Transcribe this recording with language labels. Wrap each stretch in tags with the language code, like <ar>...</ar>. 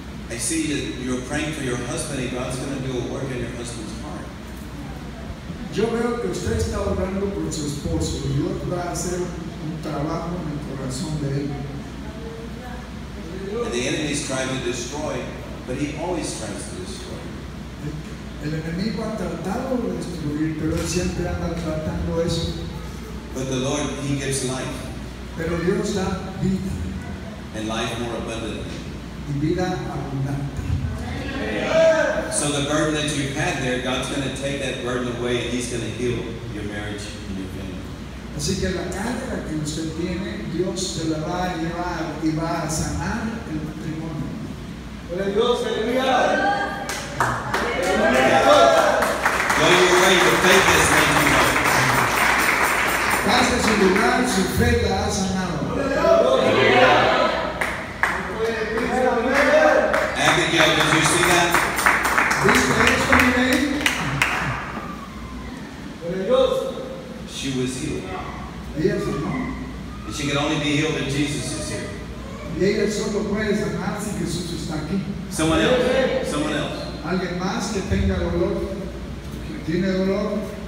<en>I see that you're praying for your husband and God's going to do a work in your husband's heart.</en> <es>Yo veo que usted está orando por su esposo y Dios va a hacer un trabajo en el corazón de él.</es> <en>And the enemy's trying to destroy, but he always tries to destroy.</en> <es>El enemigo ha tratado de destruir, pero él siempre anda tratando eso.</es> <en>But the Lord, he gives life.</en> <es>Pero Dios da vida.</es> <en>And life more abundantly.</en> <es>Y vida abundante.</es> <en>So the burden that you've had there, God's going to take that burden away and he's going to heal your marriage and your family.</en> <es>Así que la carga que usted tiene, Dios se la va a llevar y va a sanar el matrimonio. Pero Dios, aleluya.</es> <en>Go your way, your faith has made you whole.</en> <es>Pase su lugar, su fe la ha sanado.</es> <en>Abigail, did you see that? She was healed. And she could only be healed if Jesus is here. Someone else.</en> <es>Alguien más que tenga dolor, que tiene dolor.</es>